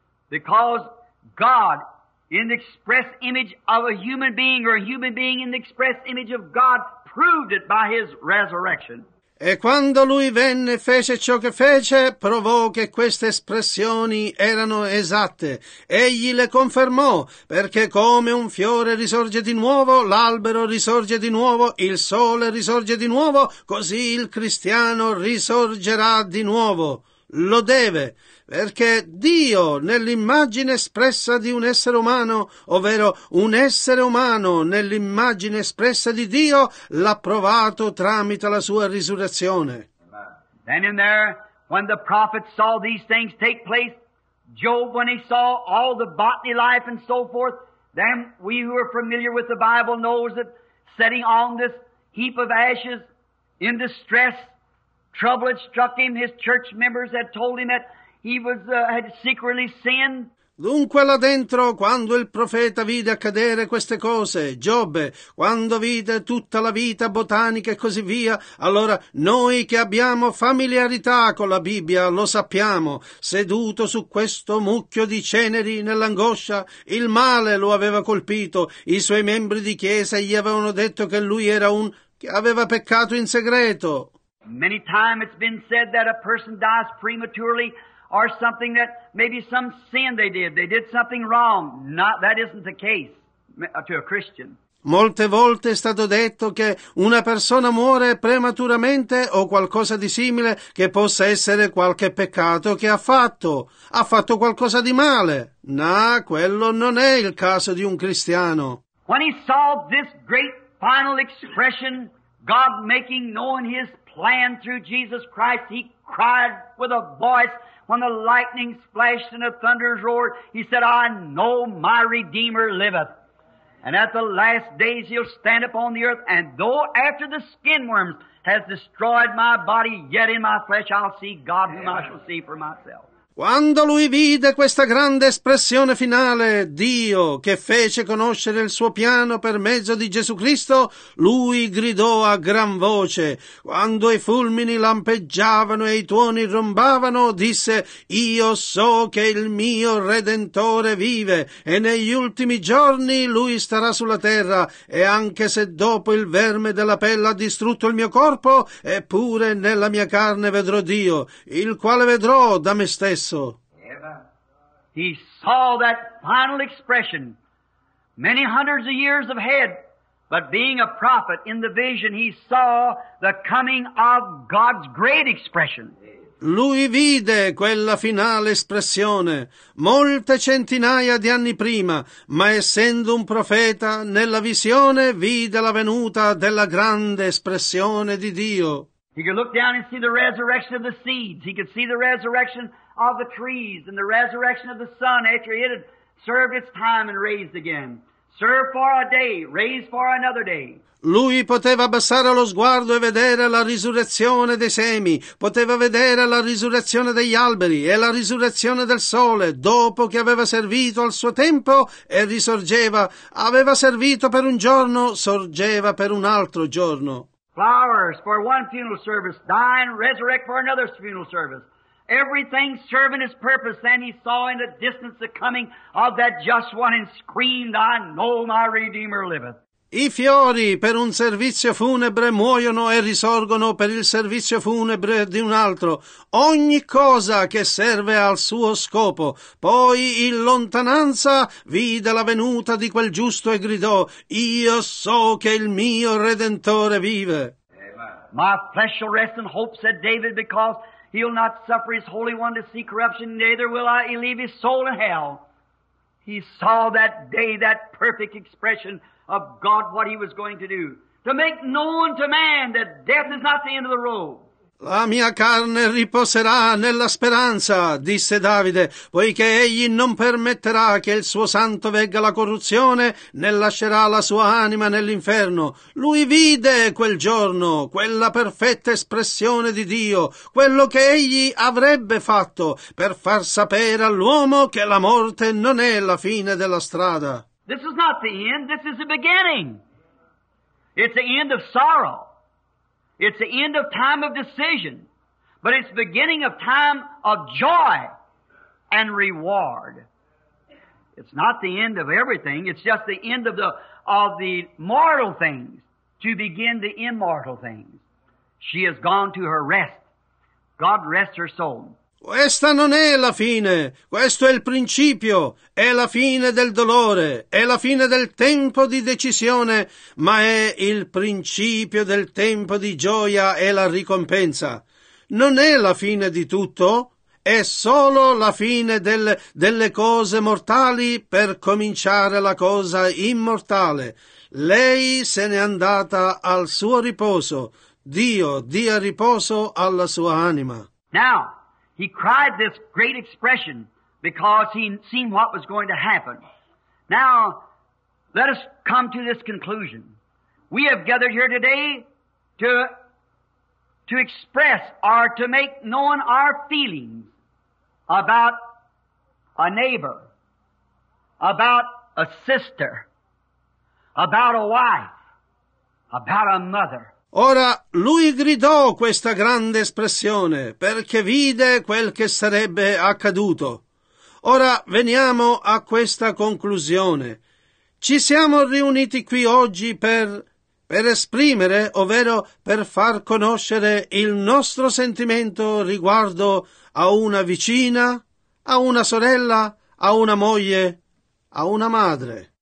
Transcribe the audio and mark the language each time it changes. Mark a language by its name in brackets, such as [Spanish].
[English] Because God in the express image of a human being, or a human being in the express image of God, proved it by his resurrection. [Italian] E quando lui venne e fece ciò che fece, provò che queste espressioni erano esatte. Egli le confermò, perché come un fiore risorge di nuovo, l'albero risorge di nuovo, il sole risorge di nuovo, così il cristiano risorgerà di nuovo. Lo deve, perché Dio, nell'immagine espressa di un essere umano, ovvero un essere umano nell'immagine espressa di Dio, l'ha provato tramite la sua risurrezione. [English] Then in there, when the prophet saw these things take place, Job, when he saw all the bodily life and so forth, then we who are familiar with the Bible knows that sitting on this heap of ashes in distress, trouble had struck him, his church members had told him that he was had secretly sinned. [Italian] Dunque là dentro, quando il profeta vide accadere queste cose, Giobbe, quando vide tutta la vita botanica e così via, allora noi che abbiamo familiarità con la Bibbia lo sappiamo, seduto su questo mucchio di ceneri nell'angoscia, il male lo aveva colpito, i suoi membri di chiesa gli avevano detto che lui era un che aveva peccato in segreto. [English] Many times it's been said that a person dies prematurely or something that maybe some sin they did something wrong. Not, that isn't the case to a Christian. [Italian] Molte volte è stato detto che una persona muore prematuramente o qualcosa di simile che possa essere qualche peccato che ha fatto qualcosa di male. No, quello non è il caso di un cristiano. [English] When he saw this great final expression, God making known his plan through Jesus Christ, he cried with a voice when the lightning splashed and the thunders roared. He said, I know my Redeemer liveth. And at the last days he'll stand upon the earth, and though after the skin worms has destroyed my body, yet in my flesh I'll see God, whom I shall see for myself. [Italian] Quando lui vide questa grande espressione finale, Dio che fece conoscere il suo piano per mezzo di Gesù Cristo, lui gridò a gran voce. Quando i fulmini lampeggiavano e i tuoni rombavano, disse, io so che il mio Redentore vive e negli ultimi giorni lui starà sulla terra, e anche se dopo il verme della pelle ha distrutto il mio corpo, eppure nella mia carne vedrò Dio, il quale vedrò da me stesso. [English] He saw that final expression many hundreds of years ahead, but being a prophet in the vision, he saw the coming of God's great expression. [Italian] Lui vide quella finale espressione molte centinaia di anni prima, ma essendo un profeta, nella visione vide la venuta della grande espressione di Dio. [English] He could look down and see the resurrection of the seeds. He could see the resurrection of the trees and the resurrection of the sun after it had served its time and raised again. Served for a day, raised for another day. [Italian] Lui poteva abbassare lo sguardo e vedere la risurrezione dei semi, poteva vedere la risurrezione degli alberi e la risurrezione del sole dopo che aveva servito al suo tempo e risorgeva. Aveva servito per un giorno, sorgeva per un altro giorno. [English] Flowers for one funeral service, die and resurrect for another funeral service. Everything serving his purpose, then he saw in the distance the coming of that just one and screamed, I know my Redeemer liveth. [Italian] I fiori per un servizio funebre muoiono e risorgono per il servizio funebre di un altro. Ogni cosa che serve al suo scopo. Poi in lontananza vide la venuta di quel giusto e gridò, io so che il mio Redentore vive. Amen. [English] My flesh shall rest in hope, said David, because he'll not suffer his Holy One to see corruption, neither will I leave his soul in hell. He saw that day that perfect expression of God, what he was going to do. To make known to man that death is not the end of the road. [Italian] La mia carne riposerà nella speranza, disse Davide, poiché egli non permetterà che il suo santo vegga la corruzione, né lascerà la sua anima nell'inferno. Lui vide quel giorno quella perfetta espressione di Dio, quello che egli avrebbe fatto per far sapere all'uomo che la morte non è la fine della strada. [English] This is not the end, this is the beginning. It's the end of sorrow. It's the end of time of decision, but it's the beginning of time of joy and reward. It's not the end of everything. It's just the end of the mortal things to begin the immortal things. She has gone to her rest. God rest her soul. [Italian] Questa non è la fine, questo è il principio, è la fine del dolore, è la fine del tempo di decisione, ma è il principio del tempo di gioia e la ricompensa. Non è la fine di tutto, è solo la fine delle cose mortali per cominciare la cosa immortale. Lei se n'è andata al suo riposo. Dio dia riposo alla sua anima. [English] Now. He cried this great expression because he seen what was going to happen. Now, let us come to this conclusion. We have gathered here today to express or to make known our feelings about a neighbor, about a sister, about a wife, about a mother. [Italian] Ora lui gridò questa grande espressione perché vide quel che sarebbe accaduto. Ora veniamo a questa conclusione. Ci siamo riuniti qui oggi per esprimere, ovvero per far conoscere il nostro sentimento riguardo a una vicina, a una sorella, a una moglie, a una madre.